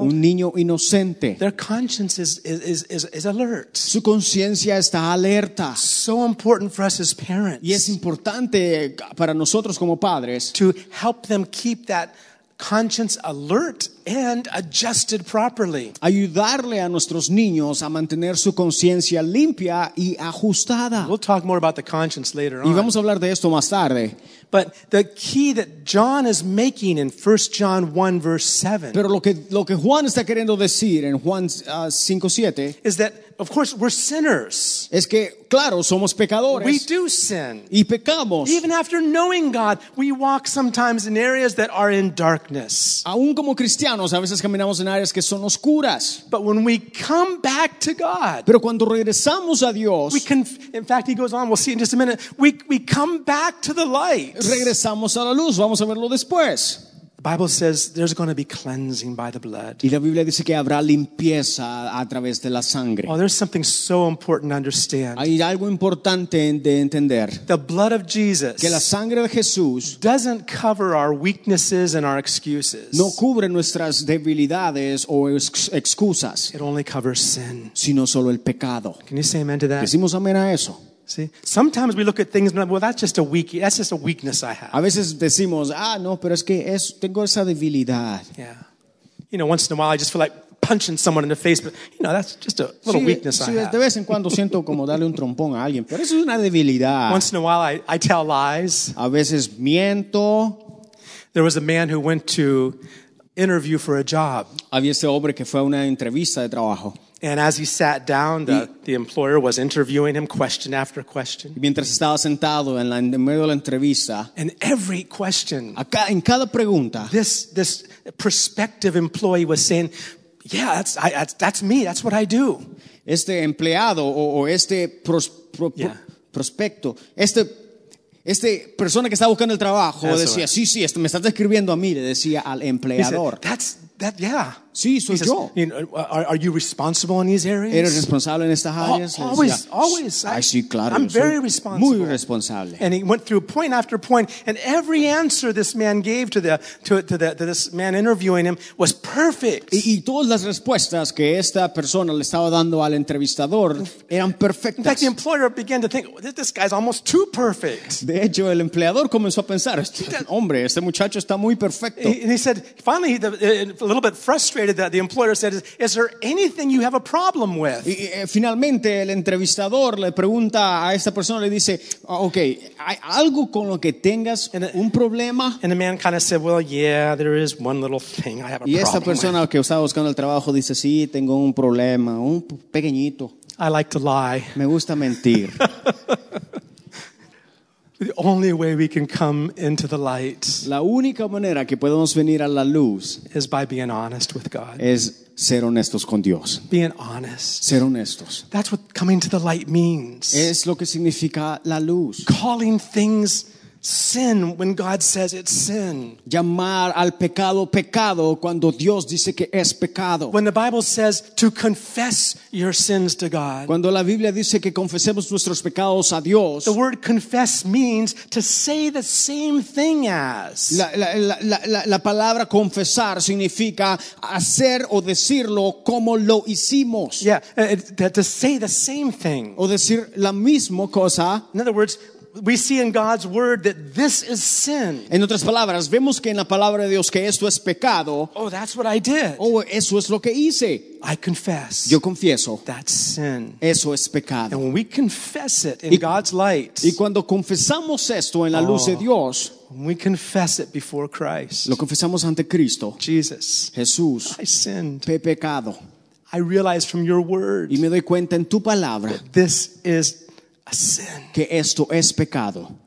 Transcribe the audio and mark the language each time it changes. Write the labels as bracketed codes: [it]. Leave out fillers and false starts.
[es] un niño inocente, [en] their conscience is alert. [es] Su conciencia está alerta. [en] So important for us as parents. [es] Y es importante para nosotros como padres [en] to help them keep that conscience alert and adjusted properly. [es] Ayudarle a nuestros niños a mantener su conciencia limpia y ajustada. [en] We'll talk more about the conscience later on. [es] Y vamos a hablar de esto más tarde. [en] But the key that John is making in 1 John 1 verse 7. [es] Pero lo que Juan está queriendo decir en Juan 5:7 [en] is that, of course, we're sinners. [es] Es que claro, somos pecadores. [en] We do sin. [es] Y pecamos. [en] Even after knowing God, we walk sometimes in areas that are in darkness. [es] Aún como cristianos, a veces caminamos en áreas que son oscuras. [en] But when we come back to God, [es] pero cuando regresamos a Dios, [en] in fact, he goes on. We'll see in just a minute. We come back to the light. [es] Regresamos a la luz. Vamos a verlo después. [en] Bible says there's going to be cleansing by the blood. [es] Y la Biblia dice que habrá limpieza a través de la sangre. [en] Oh, there's something so important to understand. [es] Hay algo importante de entender. [en] The blood of Jesus, [es] que la sangre de Jesús, [en] doesn't cover our weaknesses and our excuses. [es] No cubre nuestras debilidades o excusas. [en] It only covers sin. [es] Sino solo el pecado. [en] Can you say amen to that? [es] Decimos amén a eso. [en] See? Sometimes we look at things and like, well, that's just a weakness I have. [es] A veces decimos, ah, no, pero es que es, tengo esa debilidad. [en] Yeah. You know, once in a while I just feel like punching someone in the face, but you know, that's just a little weakness I have. [es] De vez en cuando siento como darle un trompón a alguien, pero eso es una debilidad. [en] Once in a while I tell lies. [es] A veces miento. [en] There was a man who went to interview for a job. [es] Había ese hombre que fue a una entrevista de trabajo. [en] And as he sat down, the employer was interviewing him question after question. [es] Mientras estaba sentado en medio de la entrevista, [en] and every question, [es] en cada pregunta, [en] this prospective employee was saying, yeah, that's me, that's what I do. [es] Este empleado o este prospecto, este persona que estaba buscando el trabajo, [en] that's [es] decía, [en] right. [es] Sí, sí, me estás describiendo a mí, le decía al empleador. [en] He said, that, yeah. [es] Sí, soy [en] he says, [es] yo. [en] You know, are you responsible in these areas? [es] ¿Eres responsable en estas áreas? [en] Always. [es] Sí, claro, [en] I'm very responsible. [es] Muy responsable. [en] And he went through point after point, and every answer this man gave to this man interviewing him was perfect. [es] Y todas las respuestas que esta persona le estaba dando al entrevistador eran perfectas. [en] In fact, the employer began to think, this guy's almost too perfect. [es] De hecho, el empleador comenzó a pensar, hombre, este muchacho está muy perfecto. [en] And he said, finally, a little bit frustrated, that the employer said, is there anything you have a problem with? [es] Y finalmente el entrevistador le pregunta a esta persona, le dice, okay, ¿hay algo con lo que tengas un problema? [en] And the man kind of said, well, yeah, there is one little thing I have a problem with. [es] Y esta persona que estaba buscando el trabajo dice, sí, tengo un problema, un pequeñito. [en] I like to lie. [es] Me gusta mentir. [en] The only way we can come into the light, [es] la única manera que podemos venir a la luz, [en] is by being honest with God. [es] Es ser honestos con Dios. [en] Being honest. [es] Ser honestos. [en] That's what coming to the light means. [es] Es lo que significa la luz. [en] Calling things sin when God says it's sin. [es] Llamar al pecado pecado cuando Dios dice que es pecado. [en] When the Bible says to confess your sins to God. [es] Cuando la Biblia dice que confesemos nuestros pecados a Dios. [en] The word confess means to say the same thing as. [es] La palabra confesar significa hacer o decirlo como lo hicimos. [en] Yeah, to say the same thing. [es] O decir la misma cosa. [en] In other words, we see in God's word that this is sin. [es] En otras palabras, vemos que en la palabra de Dios que esto es pecado. [en] Oh, that's what I did. [es] Oh, eso es lo que hice. [en] I confess. [es] Yo confieso. [en] That's sin. [es] Eso es pecado. [en] And when we confess it in God's light. [es] Y cuando confesamos esto en la luz de Dios. [en] When we confess it before Christ. [es] Lo confesamos ante Cristo. [en] Jesus. [es] Jesús. [en] I sinned. [es] He pecado. [en] I realize from your word. [es] Y me doy cuenta en tu palabra. [en] This is a sin. [es] Que esto es pecado.